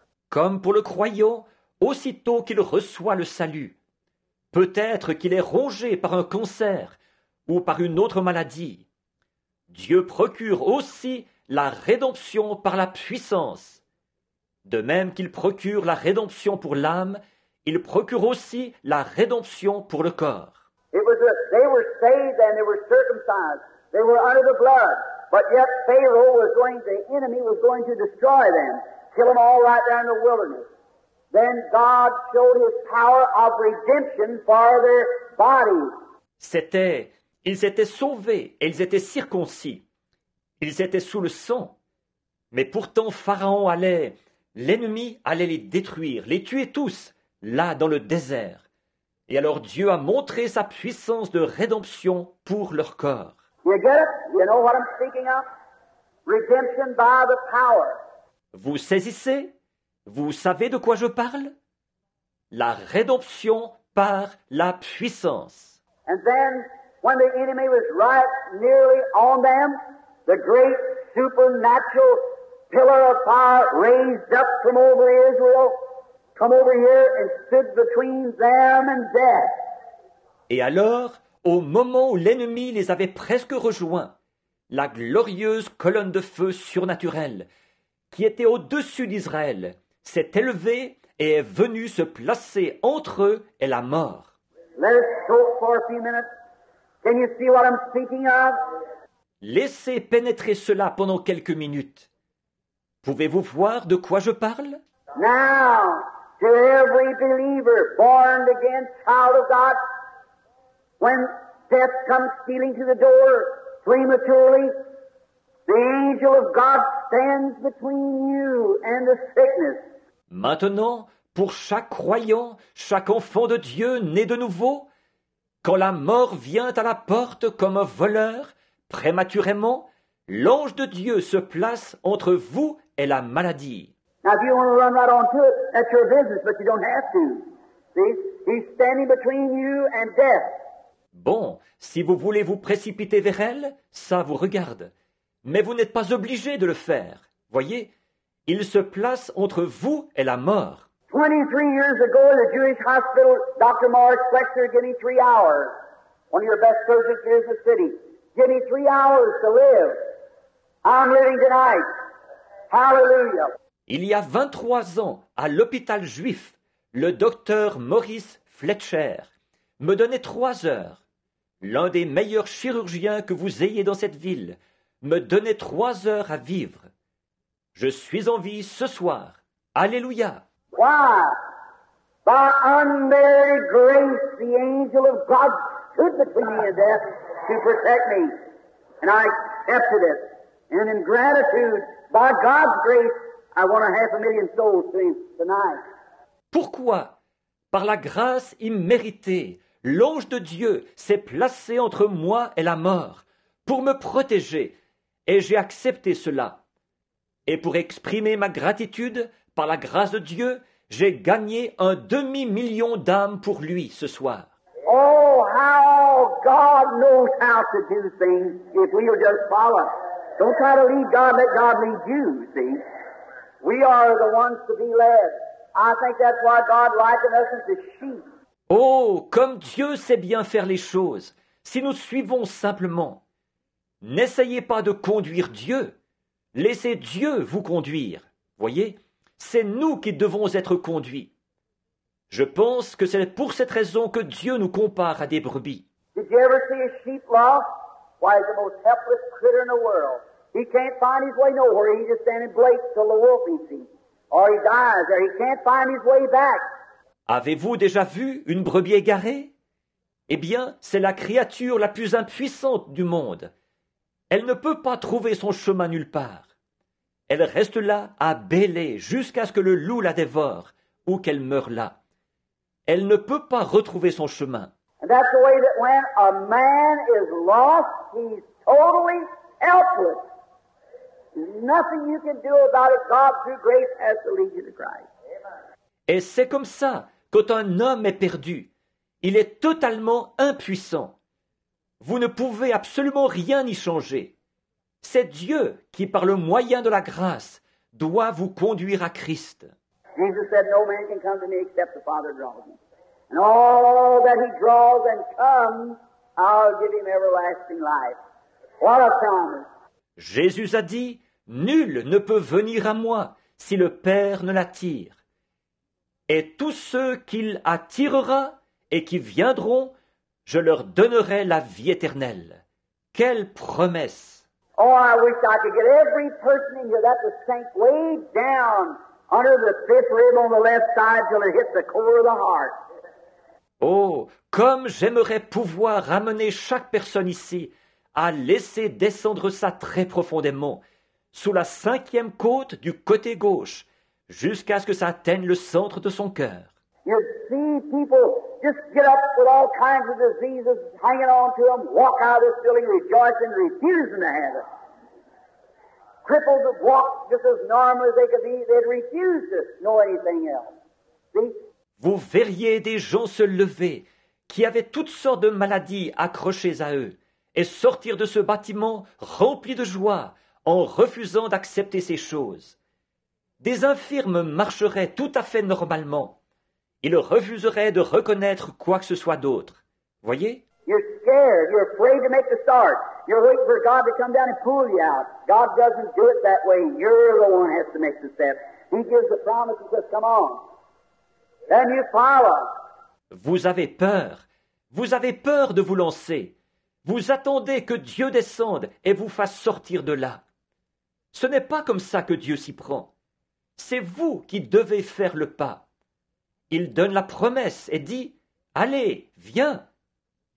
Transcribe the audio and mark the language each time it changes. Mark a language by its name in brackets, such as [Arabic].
[French] Comme pour le croyant, aussitôt qu'il reçoit le salut, peut-être qu'il est rongé par un cancer ou par une autre maladie, Dieu procure aussi la rédemption par la puissance. De même qu'il procure la rédemption pour l'âme, il procure aussi la rédemption pour le corps. [English] They were saved and they were circumcised. They were under the blood. But yet Pharaoh was going, the enemy was going to destroy them, kill them all right there in the wilderness. Then God showed his power of redemption for their bodies. [French] C'était, ils étaient sauvés et ils étaient circoncis. Ils étaient sous le sang. Mais pourtant Pharaon allait, l'ennemi allait les détruire, les tuer tous. Là, dans le désert. Et alors Dieu a montré sa puissance de rédemption pour leur corps. [English] You get it? You know what I'm speaking of? Redemption by the power. [French] Vous saisissez? Vous savez de quoi je parle? La rédemption par la puissance. [English] And then, when the enemy was right nearly on them, the great supernatural pillar of fire raised up from over Israel. Come over here and stood between them and death. [French] Et alors, au moment où l'ennemi les avait presque rejoints, la glorieuse colonne de feu surnaturelle qui était au-dessus d'Israël s'est élevée et est venue se placer entre eux et la mort. [English] Let us go for a few minutes. Can you see what I'm speaking of? [French] Laissez pénétrer cela pendant quelques minutes. Pouvez-vous voir de quoi je parle? [English] Now, to every believer born again, child of God, when death comes stealing to the door prematurely, the angel of God stands between you and the sickness. [French] Maintenant, pour chaque croyant, chaque enfant de Dieu né de nouveau, quand la mort vient à la porte comme un voleur, prématurément, l'ange de Dieu se place entre vous et la maladie. [English] Now, if you want to run right on to it, that's your business, but you don't have to. See, he's standing between you and death. [French] Bon, si vous voulez vous précipiter vers elle, ça vous regarde. Mais vous n'êtes pas obligé de le faire. Voyez, il se place entre vous et la mort. [English] 23 years ago, in the Jewish hospital, Dr. Morris Wexler gave me 3 hours. One of your best surgeons here in the city. Give me 3 hours to live. I'm living tonight. Hallelujah. [French] Il y a 23 ans, à l'hôpital juif, le docteur Maurice Fletcher me donnait 3 heures. L'un des meilleurs chirurgiens que vous ayez dans cette ville me donnait 3 heures à vivre. Je suis en vie ce soir. Alléluia. [English] Why? By unmerited grace, the angel of God stood between me and death to protect me. And I accepted it. And in gratitude, by God's grace, I won 500,000 souls tonight. [French] Pourquoi? Par la grâce imméritée, l'ange de Dieu s'est placé entre moi et la mort pour me protéger, et j'ai accepté cela. Et pour exprimer ma gratitude, par la grâce de Dieu, j'ai gagné 500,000 d'âmes pour lui ce soir. [English] Oh, how God knows how to do things if we will just follow. Don't try to lead God, let God lead you, see. We are the ones to be led. I think that's why God likened us as sheep. [French] Oh, comme Dieu sait bien faire les choses, si nous suivons simplement. N'essayez pas de conduire Dieu. Laissez Dieu vous conduire. Voyez, c'est nous qui devons être conduits. Je pense que c'est pour cette raison que Dieu nous compare à des brebis. [English] Did you ever see a sheep lost? Why, he's the most helpless critter in the world. He can't find his way nowhere. He's just standing blake till the wolf eats him. Or he dies, or he can't find his way back. [French] Avez-vous déjà vu une brebis égarée? Eh bien, c'est la créature la plus impuissante du monde. Elle ne peut pas trouver son chemin nulle part. Elle reste là à bêler jusqu'à ce que le loup la dévore ou qu'elle meure là. Elle ne peut pas retrouver son chemin. [English] And that's the way that when a man is lost, he's totally helpless. Nothing you can do about it. God through grace has to lead you to Christ. [French] Et c'est comme ça, quand un homme est perdu, il est totalement impuissant. Vous ne pouvez absolument rien y changer. C'est Dieu qui, par le moyen de la grâce, doit vous conduire à Christ. [English] Jesus said, no man can come to me except the Father draws him. And all that he draws and comes, I'll give him everlasting life. What a promise! [French] Jésus a dit, nul ne peut venir à moi si le Père ne l'attire. Et tous ceux qu'il attirera et qui viendront, je leur donnerai la vie éternelle. Quelle promesse! [English] Oh, I wish I could get every person in here that was sank way down under the fifth rib on the left side till it hits the core of the heart. [French] Oh, comme j'aimerais pouvoir ramener chaque personne ici à laisser descendre ça très profondément, sous la cinquième côte du côté gauche, jusqu'à ce que ça atteigne le centre de son cœur. [English] You see people just get up with all kinds of diseases hanging on to them, walk out of this building rejoicing, refusing to have it. Crippled to walk just as normal as they could be, they'd refuse to know anything else. See? [French] Vous verriez des gens se lever qui avaient toutes sortes de maladies accrochées à eux et sortir de ce bâtiment rempli de joie en refusant d'accepter ces choses. Des infirmes marcheraient tout à fait normalement. Ils refuseraient de reconnaître quoi que ce soit d'autre. Voyez? [English] You're scared. You're afraid to make the start. You're waiting for God to come down and pull you out. God doesn't do it that way. You're the one who has to make the step. He gives the promise and says, come on. Then you follow. [French] Vous avez peur. Vous avez peur de vous lancer. Vous attendez que Dieu descende et vous fasse sortir de là. Ce n'est pas comme ça que Dieu s'y prend. C'est vous qui devez faire le pas. Il donne la promesse et dit, « Allez, viens !»